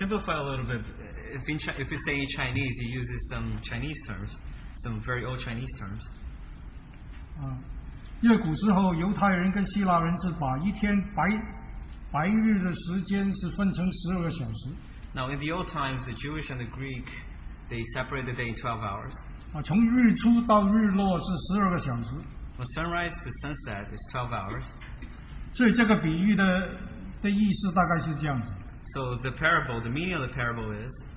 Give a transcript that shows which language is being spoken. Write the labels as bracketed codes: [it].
[en] simplify a little bit. If you say Chinese, he uses some Chinese terms, some very old Chinese terms. [zh] 因为古时候犹太人跟希腊人是把一天白日的时间是分成十二个小时。 [en] Now in the old times, the Jewish and the Greek. They separate the day in 12 hours. [zh] 从日出到日落是12个小时。 [en] From sunrise to sunset is 12 hours. [zh] 所以这个比喻的意思大概是这样子。 [en] So the parable, the meaning of the parable is.